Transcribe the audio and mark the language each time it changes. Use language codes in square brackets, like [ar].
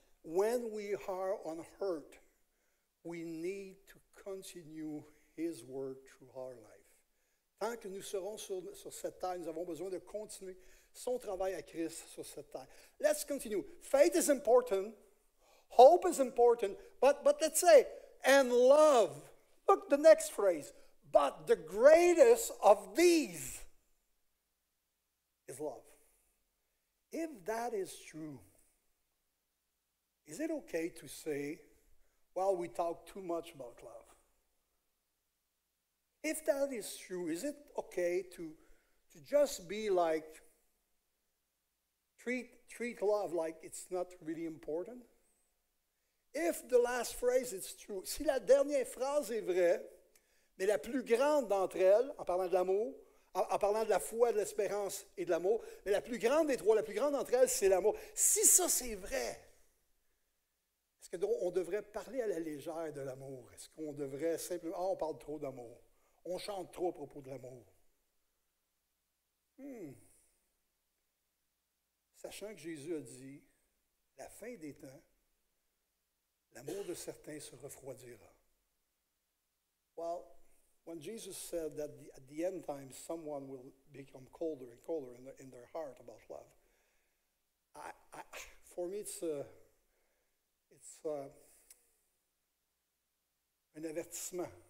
[en] When we are unhurt, we need to continue His word through our life. Tant que nous serons sur cette terre, nous avons besoin de continuer son travail à Christ sur cette terre. Let's continue. Faith is important. Hope is important. But let's say, and love. Look at the next phrase. But the greatest of these is love. If that is true, is it okay to say, well, we talk too much about love? If that is true, is it okay to just be like, treat love like it's not really important? If the last phrase is true, [fr] si la dernière phrase est vraie, mais la plus grande d'entre elles, en parlant de l'amour, en parlant de la foi, de l'espérance et de l'amour, mais la plus grande des trois, la plus grande d'entre elles, c'est l'amour. Si ça, c'est vrai, est-ce qu'on devrait parler à la légère de l'amour? Est-ce qu'on devrait simplement, on parle trop d'amour. On chante trop à propos de l'amour. Sachant que Jésus a dit, la fin des temps, l'amour de certains se refroidira. [en] Well, when Jesus said that at the end time someone will become colder and colder in their heart about love, for me it's an avertissement.